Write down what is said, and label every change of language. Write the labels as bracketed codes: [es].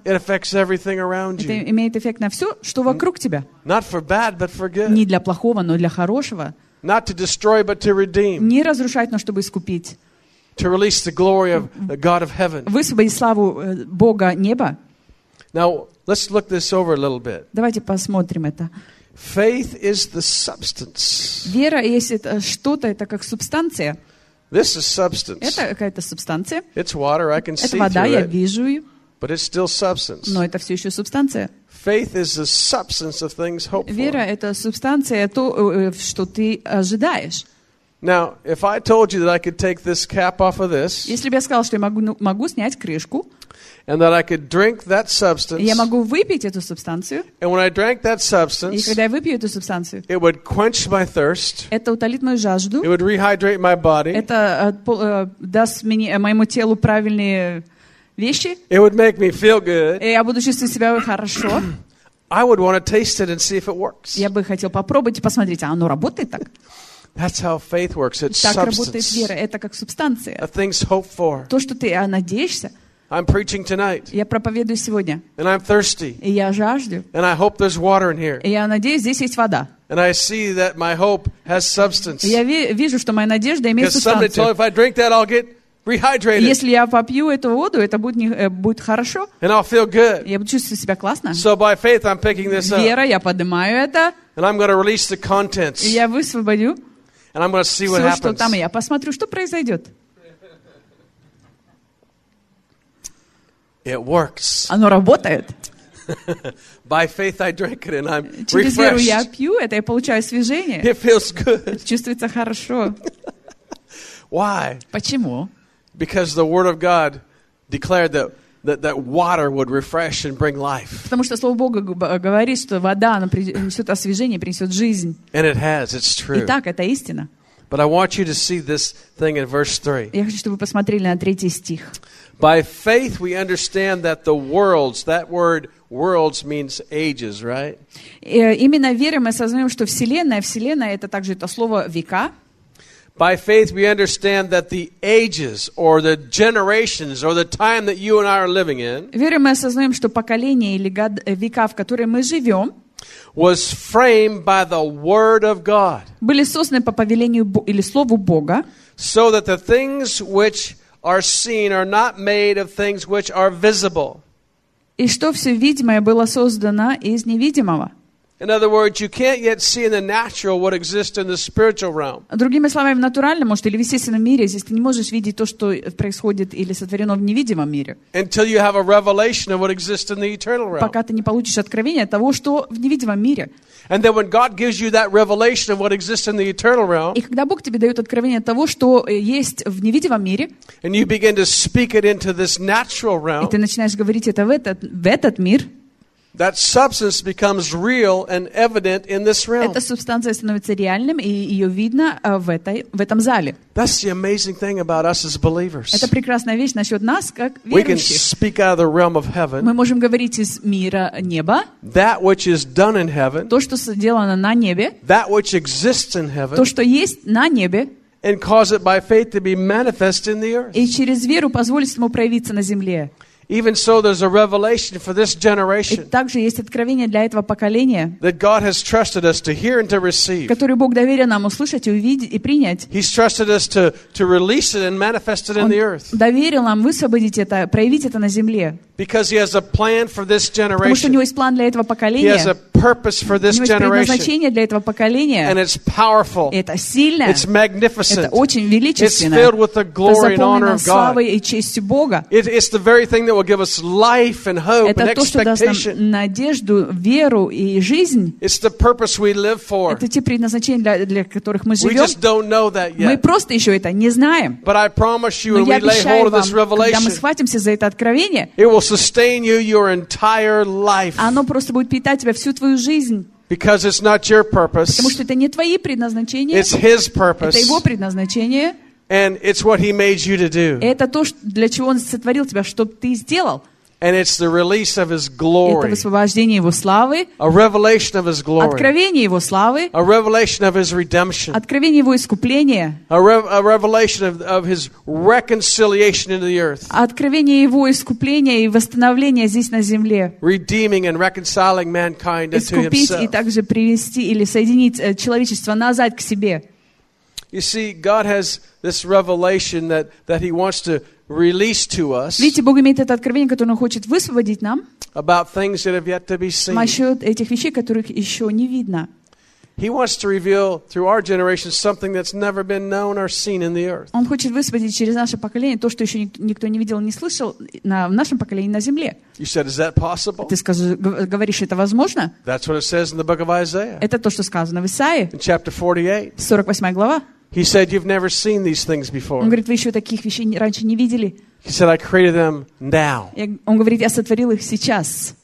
[en] it affects everything around you. [ru] Это имеет эффект на все, что вокруг тебя. [en] Not for bad, but for good. [ru] Не для плохого, но для хорошего. [en] Not to destroy, but to redeem. [ru] Не разрушать, но чтобы искупить. [en] To release the glory of the God of heaven. [ru] Высвободить славу Бога неба. [en] Now let's look this over a little bit. [ru] Давайте посмотрим это. [en] Faith is the substance. [ru] Вера есть это что-то, это как субстанция. [en] This is substance. [ru] Это какая-то субстанция. [en] It's water, I can [ru] это [en] see [ru] вода, [en] through [ru] я [en] it. [ru] Вижу ее. [en] But it's still substance. [ru] Но это все еще субстанция. [en] Faith is the substance of things hoped for. [ru] Вера это субстанция, то, что ты ожидаешь. [en] Now, if I told you that I could take this cap off of this, [ru] если бы я сказал, что я могу снять крышку, [en] and that I could drink that substance, [ru] я могу выпить эту субстанцию, [en] and when I drank that substance, [ru] и когда я выпью эту субстанцию, [en] it would quench my thirst, [ru] это утолит мою жажду, [en] it would rehydrate my body, [ru] это даст мне моему телу правильные вещи, [en] it would make me feel good, [ru] и я буду чувствовать себя хорошо. [en] I would want to taste it and see if it works. [ru] Я бы хотел попробовать и посмотреть, а оно работает так? [en] That's how faith works. It's [ru] так [en] substance. [ru] Работает вера. Это как субстанция. [en] A thing's hoped for. [ru] То, что ты надеешься. [en] I'm preaching tonight. [ru] Я проповедую сегодня. [en] And I'm thirsty. [ru] И я жажду. [en] And I hope there's water in here. [ru] И я надеюсь, здесь есть вода. [en] And I see that my hope has substance. [ru] Я вижу, что моя надежда имеет субстанцию. [en] Somebody told me if I drink that, I'll get rehydrated. [ru] Если я попью эту воду, это будет хорошо. [en] And I'll feel good. [ru] Я буду чувствовать себя классно. [en] So by faith, I'm picking this up. [ru] Вера, я поднимаю это. [en] And I'm going to release the contents. [ru] И я высвобожу. [en] And I'm going to see what happens. [ru] Что там, я посмотрю, что произойдет. [en] It works. [ru] Оно работает. [en] By faith I drink it and I'm refreshed. [ru] Через веру я пью это, я получаю освежение. [en] It feels good. [ru] Чувствуется хорошо. [en] Why? [ru] Почему? [en] Because the word of God declared that water would refresh and bring life. [ru] Потому что слово Бога говорит, что вода она принесет освежение, принесет жизнь. [en] And it has, it's true. [ru] Итак, это истина. [en] But I want you to see this thing in verse 3. [ru] Я хочу, чтобы вы посмотрели на третий стих. [en] By faith we understand that the worlds, that word worlds means ages, right? [ru] Именно верой мы осознаем, что вселенная это также это слово века. [en] By faith we understand that the ages or the generations or the time that you and I are living in. [ru] Верой мы осознаем, что поколения или века, в которые мы живем, [en] was framed by the word of God. [ru] Были созданы по повелению или слову Бога. [en] So that the things which are seen are not made of things which are visible. [ru] И что все видимое было создано из невидимого. [en] In other words, you can't yet see in the natural what exists in the spiritual realm. [ru] Другими словами, в натуральном, может, или в естественном мире, здесь ты не можешь видеть то, что происходит или сотворено в невидимом мире. [en] Until you have a revelation of what exists in the eternal realm. [ru] Пока ты не получишь откровение того, что в невидимом мире. [en] And then when God gives you that revelation of what exists in the eternal realm. [ru] И когда Бог тебе дает откровение того, что есть в невидимом мире. [en] And you begin to speak it into this natural realm. [ru] И ты начинаешь говорить это в этот мир. [en] That substance becomes real and evident in this realm. [ru] Эта субстанция становится реальным, и ее видно в этом зале. [en] That's the amazing thing about us as believers. [ru] Это прекрасная вещь насчет нас, как верующих. [en] We can speak out of the realm of heaven. [ru] Мы можем говорить из мира неба. [en] That which is done in heaven. [ru] То, что сделано на небе. [en] That which exists in heaven. [ru] То, что есть на небе. [en] And cause it by faith to be manifest in the earth. [ru] И через веру позволить ему проявиться на земле. [en] Even so, there's a revelation for this generation. [ru] И также есть откровение для этого поколения. [en] That God has trusted us to hear and to receive. [ru] Который Бог доверил нам услышать и увидеть и принять. [en] He's trusted us to release it and manifest it in the earth. [ru] Он доверил нам высвободить это, проявить это на земле. [en] Because He has a plan for this generation. [ru] Потому что у него есть план для этого поколения. [en] He has a purpose for this generation. [ru] У него есть предназначение для этого поколения. [en] And it's powerful. [ru] Это сильно. [en] It's magnificent. [ru] Это очень величественно. [en] It's filled with the glory and honor of God. [ru] Это заполнено славой и честью Бога. [en] It's the very thing that will give us life and hope and expectation. [ru] Это то, что даст нам надежду, веру и жизнь. [en] It's the purpose we live for. [ru] Это те предназначения, для которых мы живем. [en] We just don't know that yet. [ru] Мы просто еще это не знаем. [en] But I promise you, when we lay hold of this revelation, [ru] когда мы схватимся за это откровение, [en] it will sustain you your entire life. [ru] Оно просто будет питать тебя всю твою жизнь. [en] Because it's not your purpose. [ru] Потому что это не твои предназначения. [en] It's His purpose. [ru] Это Его предназначение. [en] And it's what He made you to do. [ru] Это то, для чего Он сотворил тебя, чтобы ты сделал. [en] And it's the release of His glory. [ru] Это высвобождение Его славы. [en] A revelation of His glory. [ru] Откровение Его славы. [en] A revelation of His redemption. [ru] Откровение Его искупления. [en] A revelation of His reconciliation into the earth. [ru] Откровение Его искупления и восстановления здесь на земле. [en] Redeeming and reconciling mankind unto Himself. [ru] Искупить и также привести или соединить человечество назад к себе. [en] You see, God has this revelation that He wants to release to us. [ru] Видите, Бог имеет это откровение, которое Он хочет высвободить нам. [en] About things that have yet to be seen. [ru] Насчет этих вещей, которых еще не видно. [en] He wants to reveal through our generation something that's never been known or seen in the earth. [ru] Он хочет высвободить через наше поколение то, что еще никто не видел, не слышал в нашем поколении на земле. [en] You said, is that possible? [ru] Ты говоришь, это возможно? [en] That's what it says in the book of Isaiah. [ru] Это то, что сказано в Исаии. [en] In chapter 48. [ru] 48 глава. [en] He said, you've never seen these things before. [ru] Он говорит, вы еще таких вещей раньше не видели. [en] He said, I created them now. [ru] Он говорит, я сотворил их сейчас.